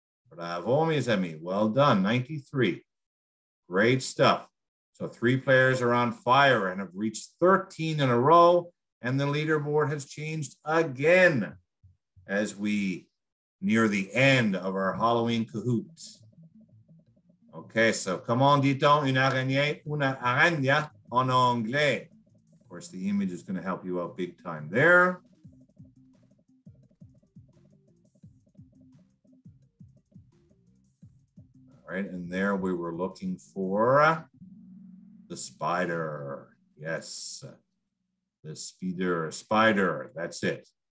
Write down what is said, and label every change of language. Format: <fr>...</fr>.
<fr>Bravo, mis amis.</fr> <en>Well done, 93. Great stuff. So three players are on fire and have reached 13 in a row. And the leaderboard has changed again as we near the end of our Halloween cahoots.</en> <fr>Okay, so come on, dit-on, une araignée en anglais.</fr> <en>Of course, the image is going to help you out big time there. All right, and there we were looking for the spider. Yes, the spider, that's it.</en>